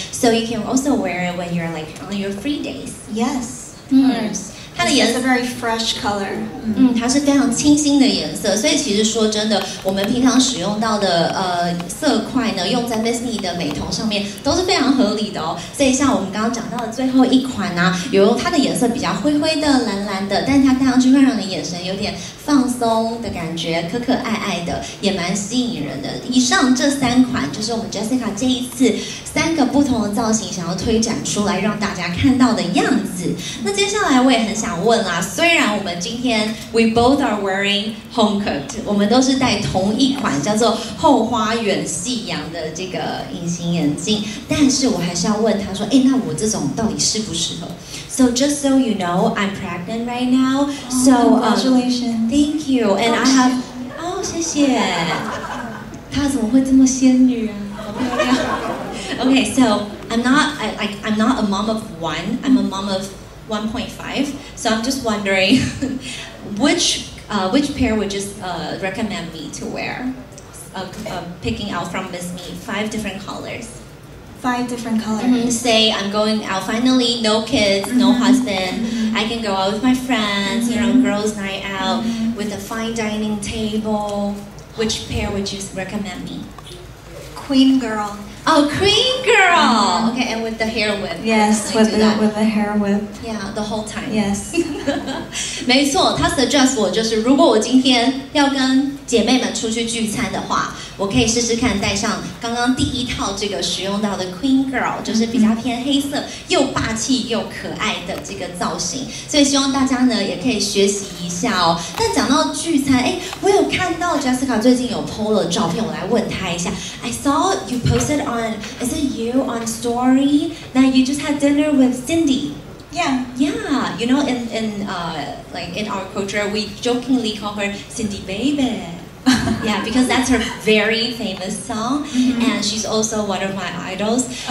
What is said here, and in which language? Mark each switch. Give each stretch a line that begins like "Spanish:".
English: So you can also wear it when you're like on your free days. Yes.
Chinese: Yes. 它的颜色
English: a very fresh color，
Chinese: 它是非常清新的颜色，所以其实说真的，我们平常使用到的色块呢，用在 Miss Me 的美瞳上面都是非常合理的哦。所以像我们刚刚讲到的最后一款呢，有它的颜色比较灰灰的、蓝蓝的，但它看上去会让你眼神有点放松的感觉，可可爱爱的，也蛮吸引人的。以上这三款就是我们 Jessica 这一次三个不同的造型想要推展出来让大家看到的样子。那接下来我也很想问啦。虽然我们今天
English: we both are wearing home cooked，
Chinese: 我们都是戴同一款叫做后花园夕阳的这个隐形眼镜，但是我还是要问他说，哎，那我这种到底适不适合？
English: So just so you know, I'm pregnant right now. So congratulations. Thank you. And I have. Oh,
Chinese: 谢谢. 她怎么会这么仙女啊？好漂亮.
English: Okay, so I'm not a mom of one. I'm a mom of 1.5. So I'm just wondering, which pair would just recommend me to wear? Picking out from Miss Me, five different colors. Five different colors. Mm-hmm. Say I'm going out finally, no kids, no husband. Mm-hmm. I can go out with my friends. Mm-hmm. You know, girls' night out with a fine dining table. Which pair would you recommend me? Queen girl. Oh, queen girl. Okay, and with the hair whip. Yes, with the hair whip. Yeah, the whole time. Yes.
Chinese: 没错，他 suggest 我就是，如果我今天要跟姐妹们出去聚餐的话。我可以试试看戴上刚刚第一套这个使用到的 Queen Girl， 就是比较偏黑色又霸气又可爱的这个造型，所以希望大家呢也可以学习一下哦。那讲到聚餐，哎，我有看到 Jessica 最近有 po 了照片，我来问她一下。
English: I saw you posted on is it you on story that you just had dinner with Cindy Yeah, you know, in our culture, we jokingly call her Cindy Baby. Yeah, because that's her very famous song, and she's also one of my idols.